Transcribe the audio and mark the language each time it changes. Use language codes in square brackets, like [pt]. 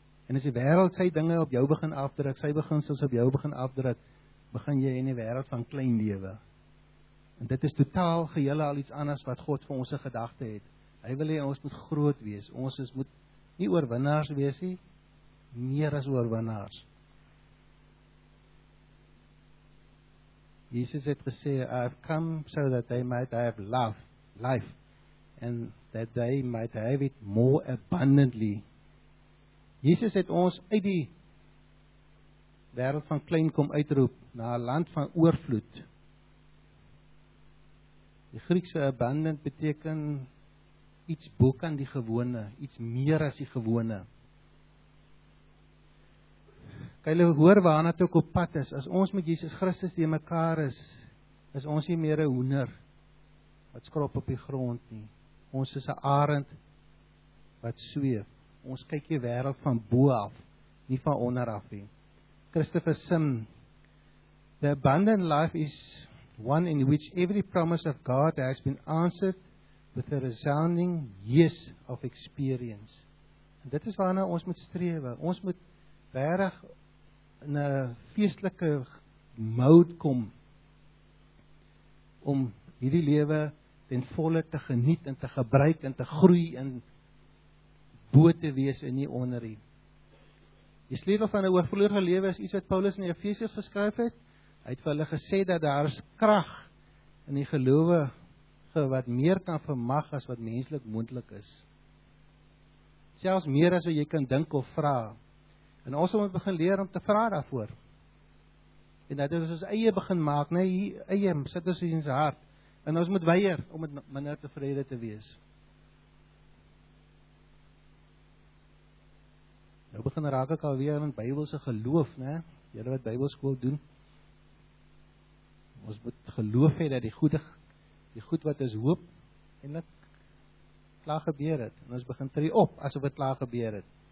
[af] En as die wêreld sy dinge op jou begin afdruk, sy beginsels op jou begin afdruk, begin jy in die wêreld van klein lewe. En dit is totaal geheel al iets anders wat God vir ons se gedagte het. Hy wil hê ons moet groot wees. Ons moet nie oorwinnaars wees nie, meer as oorwinnaars. Jesus het gesê, [en] I have come so that they might have life, and that they might have it more abundantly. [af] Jesus het ons uit die wêreld van klein kom uitroep, na 'n land van oorvloed. Die Griekse abundant beteken iets bo kan die gewone, iets meer as die gewone. Kan jy hoor waarna toe ek op pad is? As ons met Jesus Christus die mekaar is, is ons nie meer 'n hoender wat skrop op die grond nie. Ons is 'n arend wat sweef. Ons kyk die wêreld van bo af, nie van onder af nie. [en] Christopher Sim, the abundant life is one in which every promise of God has been answered with a resounding yes of experience. [af] En dit is waarna ons moet strewe. Ons moet reg in 'n feestelike mode kom om hierdie lewe ten volle te geniet en te gebruik en te groei en bo te wees en nie onder nie. Die sleutel van 'n oorvloedige lewe is iets wat Paulus in die Efesiërs geskryf het. Hy het vir hulle gesê dat daar is krag in die gelowige wat meer kan vermag as wat menslik moontlik is. Selfs meer as wat jy kan dink of vra. En ons moet begin leer om te vra daarvoor. En dat is ons eie begin maak, nee, hier eie, sit ons in sy hart. En ons moet weier om met minder tevrede te wees. Nou begin raak ek alweer in Bybelse geloof, nee, julle wat Bybelskool doen. Ons moet geloof hê dat die goed wat ons hoop, eintlik klaar gebeur het. En ons begin tree op, asof het klaar gebeur het.